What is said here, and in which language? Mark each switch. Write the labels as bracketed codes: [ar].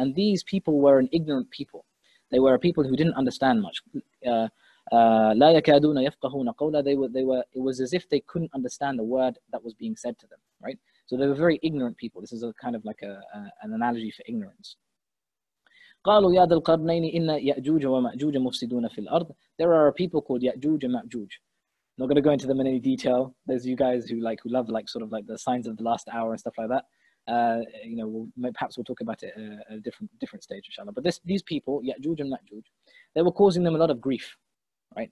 [en] And these people were an ignorant people. They were a people who didn't understand much. [ar] لَا يَكَادُونَ يَفْقَهُونَ قَوْلًا. [en] They were, it was as if they couldn't understand the word that was being said to them, right? So they were very ignorant people. This is a kind of like an analogy for ignorance. [ar] قالوا يا ذا القرنين إن يأجوج ومأجوج مفسدون في الأرض. [en] There are people called Yajuj and Majuj. Not going to go into them in any detail. There's you guys who love the signs of the last hour and stuff like that. You know, we'll talk about it at a different stage, inshallah. But these people, Yajuj and Majuj, they were causing them a lot of grief, right?